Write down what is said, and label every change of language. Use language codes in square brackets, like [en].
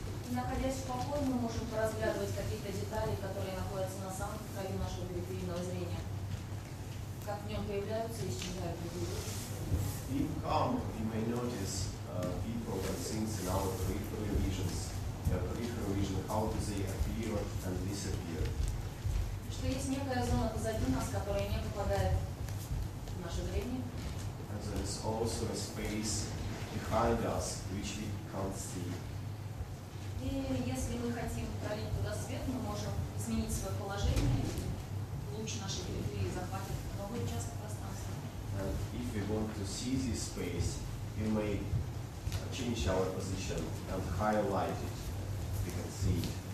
[ru] Находясь в покое, мы можем разглядывать какие-то детали, которые находятся на самом краю нашего периферийного зрения. Как в нем появляются и исчезают другие люди. [en] In calm, we may notice people and things in our peripheral visions, their peripheral vision, how do they appear and disappear. [ru] Что есть некая зона позади нас, которая не попадает в наше зрение. [en] And there is also a space behind us, which we can't see. [ru] И если мы хотим пролить туда свет, мы можем изменить свое положение, луч нашей периферии захватит новый участок. [en] And if we want to see this space, we may change our position and highlight it. We can see it.